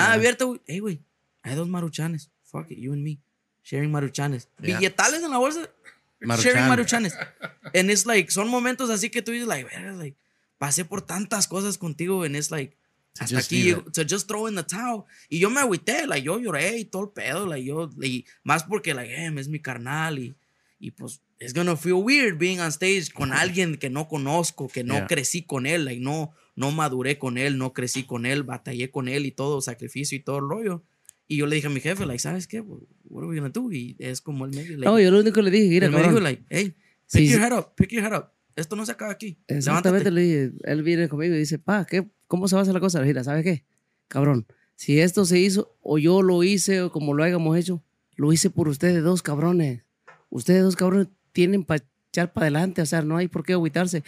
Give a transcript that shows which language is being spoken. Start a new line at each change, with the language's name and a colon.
Spanish: Nada abierto. Hey, güey, hay dos maruchanes.
English: Fuck it, you and me. Sharing maruchanes.
Spanish: Yeah. Billetales en la bolsa. Sharing maruchanes.
English: And it's like,
Spanish: son momentos así que tú dices, like, pasé por tantas cosas contigo.
English: And it's like, to just throw in the towel.
Spanish: Y yo me agüité, like, yo lloré y todo el pedo, like, yo, y más porque, like, es mi carnal y pues,
English: it's gonna feel weird being on stage
Spanish: con alguien que no conozco, que no crecí con él, like, no maduré con él, no crecí con él, batallé con él y todo, sacrificio y todo el rollo. Y yo le dije a mi jefe, like, ¿sabes qué?
English: What are we gonna do?
Spanish: Y es como el medio, like, no, yo lo único que le dije, mira, me dijo,
English: like, hey, pick your head up.
Spanish: Esto no se acaba aquí. Exactamente, le dije, él viene conmigo y dice, pa, ¿qué? ¿Cómo se va a hacer la cosa? Le dije, ¿sabes qué? Cabrón, si esto se hizo, o yo lo hice, o como lo hayamos hecho, lo hice por ustedes dos, cabrones. Ustedes dos, cabrones, tienen para echar para adelante, o sea, no hay por qué agüitarse.